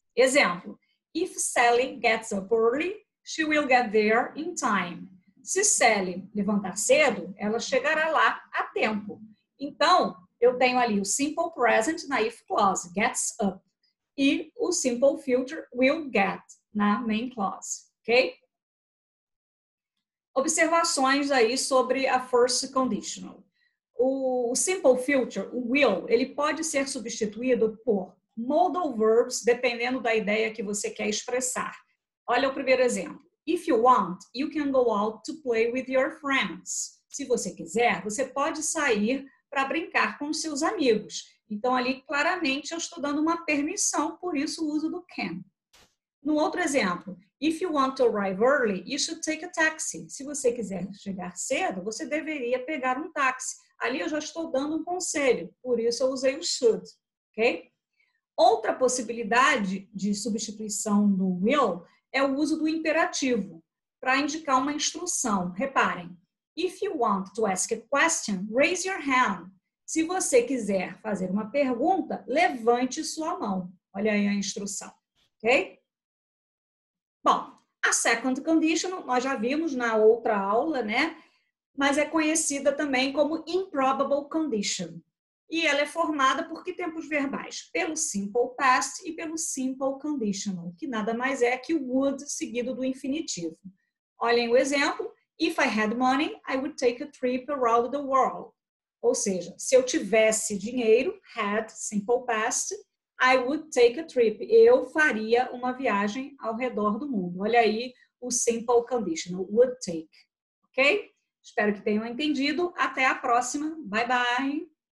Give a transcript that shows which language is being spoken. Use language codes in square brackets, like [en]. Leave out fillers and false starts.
[en] Exemplo: If Sally gets up early, she will get there in time. [pt] Se Sally levantar cedo, ela chegará lá a tempo. Então, eu tenho ali o simple present na if clause, gets up, e o simple future, will get, na main clause, ok? Observações aí sobre a first conditional. O simple future, o will, ele pode ser substituído por modal verbs, dependendo da ideia que você quer expressar. Olha o primeiro exemplo. [en] If you want, you can go out to play with your friends. [pt] Se você quiser, você pode sair para brincar com seus amigos. Então, ali, claramente, eu estou dando uma permissão, por isso o uso do can. No outro exemplo, [en] if you want to arrive early, you should take a taxi. [pt] Se você quiser chegar cedo, você deveria pegar um táxi. Ali eu já estou dando um conselho, por isso eu usei o should, ok? Outra possibilidade de substituição do will é o uso do imperativo para indicar uma instrução. [en] Reparem, if you want to ask a question, raise your hand. [pt] Se você quiser fazer uma pergunta, levante sua mão. Olha aí a instrução, ok? Bom, a second condition nós já vimos na outra aula, né? Mas é conhecida também como improbable condition. E ela é formada por que tempos verbais? Pelo simple past e pelo simple conditional, que nada mais é que o would seguido do infinitivo. Olhem o exemplo: [en] If I had money, I would take a trip around the world. [pt] Ou seja, se eu tivesse dinheiro, had, simple past, [en] I would take a trip. [pt] Eu faria uma viagem ao redor do mundo. Olha aí o simple conditional, would take. Ok? Espero que tenham entendido. Até a próxima. [en] Bye, bye.